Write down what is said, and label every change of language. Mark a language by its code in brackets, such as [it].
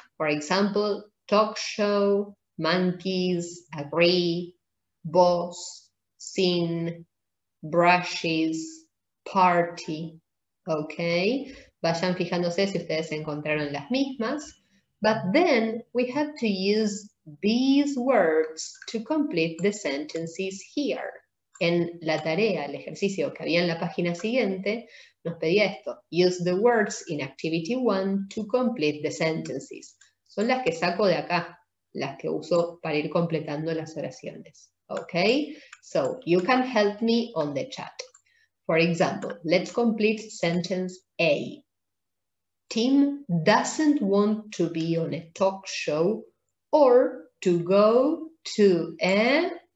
[en] For example, talk show, monkeys, agree, boss, scene, brushes, party, okay? [es] Vayan fijándose si ustedes encontraron las mismas. [en] But then we have to use these words to complete the sentences here. [es] En la tarea, el ejercicio que había en la página siguiente, nos pedía esto. [en] Use the words in activity one to complete the sentences. [es] Son las que saco de acá, las que uso para ir completando las oraciones. [en] Okay? So, you can help me on the chat. For example, let's complete sentence A. Tim doesn't want to be on a talk show or to go to a...